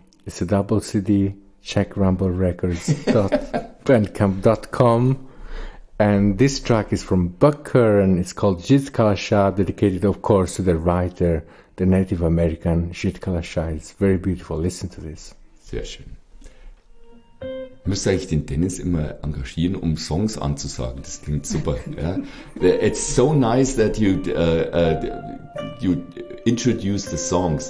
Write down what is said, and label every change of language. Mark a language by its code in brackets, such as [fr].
[en] It's a double CD. Check rumblerecords.bandcamp.com. And this track is from Buck Kerr, and it's called Jitkala Shah, dedicated, of course, to the writer, the Native American Jitkala Shah. It's very beautiful. Listen to this. [de] Sehr schön. Müsste eigentlich den Dennis immer engagieren, um Songs anzusagen. Das klingt super. Yeah? [en] It's so nice that you introduce the songs.